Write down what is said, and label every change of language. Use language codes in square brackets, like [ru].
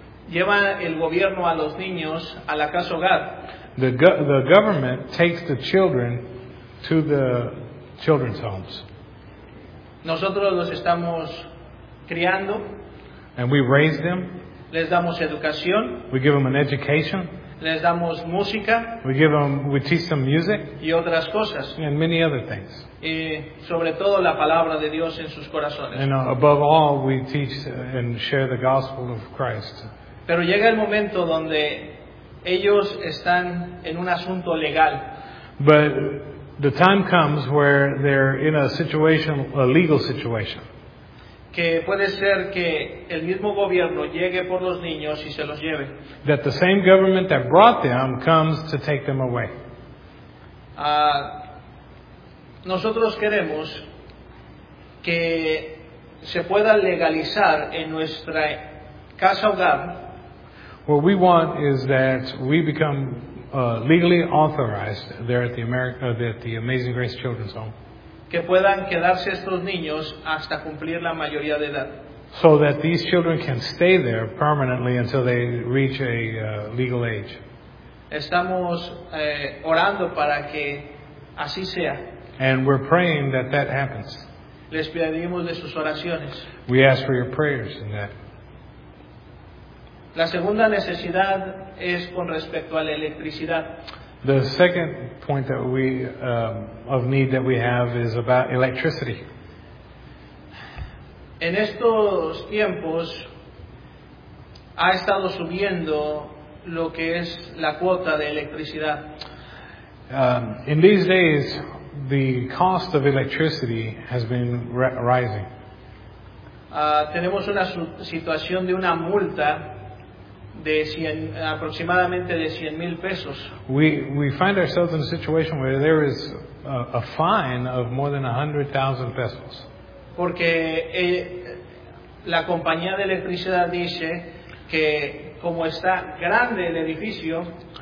[es] Lleva el gobierno a los niños a la casa hogar. [en] The government takes the children to the children's homes. [es] Nosotros los estamos criando. [en] And we raise them. [es] Les damos educación. [en] We give them an education. [es] Les damos música. [en] We teach them music. [es] Y otras cosas. [en] And many other things. [es] Y sobre todo la palabra de Dios en sus corazones. [en] And above all, we teach and share the gospel of Christ. [es] Pero llega el momento donde Ellos están en un asunto legal. [en] But the time comes where they're in a situation, a legal situation. [es] Que puede ser que el mismo gobierno llegue por los niños y se los lleve. [en] That the same government that brought them comes to take them away. [es] Nosotros queremos que se pueda legalizar en nuestra casa hogar. [en] What we want is that we become legally authorized there at the Amazing Grace Children's Home. [es] Que puedan quedarse estos niños hasta cumplir la mayoría de edad. [en] So that these children can stay there permanently until they reach a legal age. [es] Estamos orando para que así sea. [en] And we're praying that that happens. [es] Les pedimos de sus oraciones. [en] We ask for your prayers in that. [es] La segunda necesidad es con respecto a la electricidad. [en] The second point that we of need that we have is about electricity. [es] En estos tiempos ha estado subiendo lo que es la cuota de electricidad. [en] In these days, the cost of electricity has been rising. [es] Tenemos una situación de una multa de aproximadamente de 100 mil pesos. [en] We find ourselves in a situation where there is a fine of more than 100,000 pesos. [es] Porque la compañía de electricidad dice que como está grande el edificio.